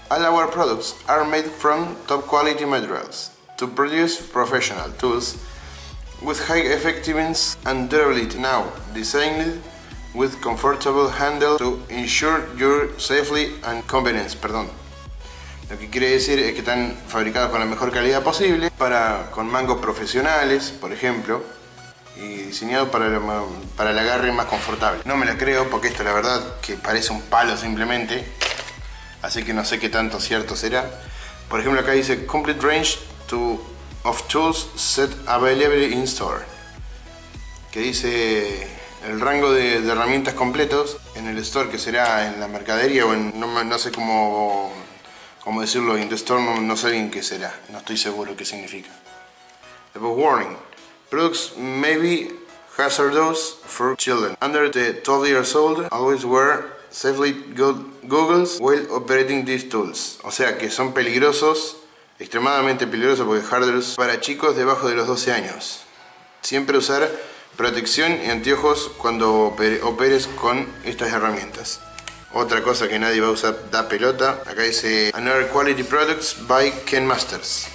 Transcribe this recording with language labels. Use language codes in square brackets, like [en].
[en] All our products are made from top quality materials to produce professional tools with high effectiveness and durability. Now designed with comfortable handle to ensure your safety and convenience. [es] Perdón. Lo que quiere decir es que están fabricados con la mejor calidad posible para con mangos profesionales, por ejemplo. Y diseñado para el agarre más confortable. No me la creo, porque esto la verdad que parece un palo simplemente. Así que no sé qué tanto cierto será. Por ejemplo, acá dice [en] Complete range of tools set available in store. [es] Que dice el rango de herramientas completos en el store, que será en la mercadería o en, no sé cómo decirlo, [en] in the store, [es] no sé bien qué será. No estoy seguro qué significa. Después, warning. [en] Products may be hazardous for children under the 12 years old. Always wear safety goggles while operating these tools. [es] O sea que son peligrosos, extremadamente peligrosos, porque hazardous para chicos debajo de los 12 años. Siempre usar protección y anteojos cuando operes con estas herramientas. Otra cosa que nadie va a usar, da pelota. Acá dice [en] Another Quality Products by Kenmasters.